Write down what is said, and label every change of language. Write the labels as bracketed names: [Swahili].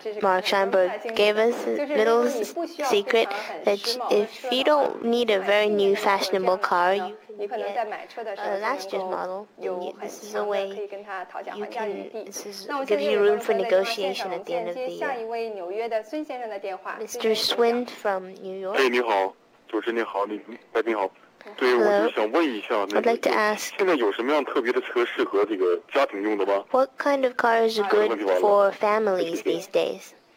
[English] Mark Scheinberg gave us a little secret that if you don't need a very new fashionable car, you can get a last year's model. This is a way you can give you room for negotiation at the end of the year. Mr. Swin from New York. [Chinese] Hey, 你好，主持人你好，你来宾好。对，我就想问一下，现在有什么样特别的车适合这个家庭用的吗 [English] ？What kind of car is good for families these days？